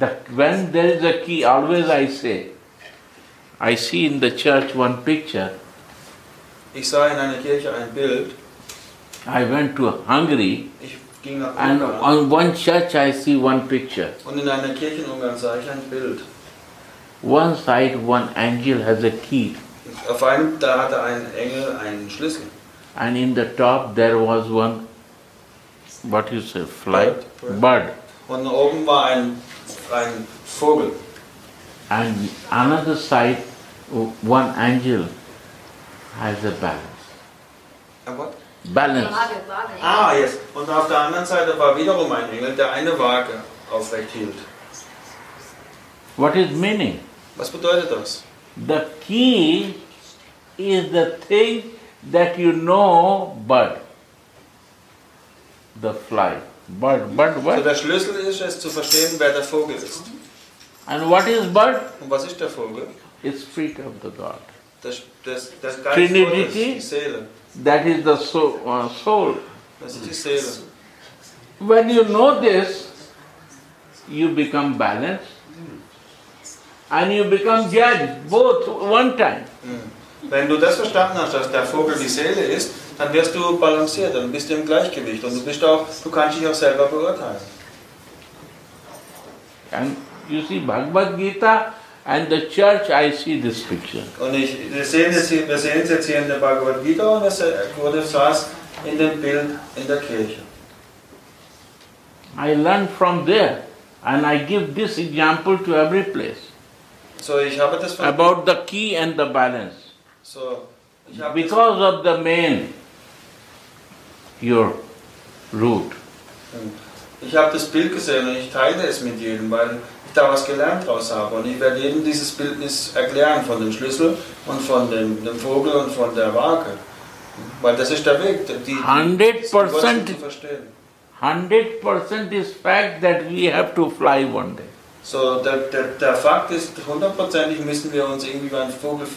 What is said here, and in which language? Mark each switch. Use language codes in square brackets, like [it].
[en] When there is a key, always I say, I see in the church one picture. [de] Ich sah in einer Kirche ein Bild. [en] I went to Hungary. [de] Ich ging nach [en] Ungarn. And on one church I see one picture. [de] Und in einer Kirche in Ungarn sah ich ein Bild. [en] One side one angel has a key. [de] Auf einem da hatte ein Engel einen Schlüssel. [en] And in the top there was one, what you say, flight? [de] Bird. Und oben war ein Vogel. [en] And another side, one angel has a balance. A what? Balance. Ah, yes. [de] Und auf der anderen Seite war wiederum ein Engel, der eine Waage aufrecht hielt. [en] What is meaning? [de] Was bedeutet das? [en] The key is the thing that you know, bird. The fly. Bird, what? [de] So der Schlüssel ist es zu verstehen, wer der Vogel ist. [en] And what is bird? [de] Und was ist der Vogel? [en] It's feet of the God. [de] Das [en] Trinity, [de] Vogel, die Seele. [en] That is the soul. [de] Das ist die Seele. [en] When you know this, you become balanced. And you become judged, both, one time. [de] Wenn du das verstanden hast, dass der Vogel die Seele ist, dann wirst du balanciert, dann bist du im Gleichgewicht. Und du kannst dich auch selber beurteilen. [en] And you see Bhagavad Gita and the church, I see this picture. [de] Und wir sehen es jetzt hier in der Bhagavad Gita und es wurde saß in dem Bild in der Kirche. [en] I learned from there and I give this example to every place. [de] So ich habe das [en] von about the key and the balance. [de] So ich habe [en] because of the main, your root. [de] Ich habe das Bild gesehen und ich teile es mit jedem, weil ich da was gelernt daraus habe. Und ich werde jedem dieses Bildnis erklären von dem Schlüssel und von dem Vogel und von der Waage. Weil das ist der Weg, die 100% zu verstehen. [en] 100% is fact that we have to fly one day. [de] So der Fakt ist, hundertprozentig müssen wir uns irgendwie beim Vogel,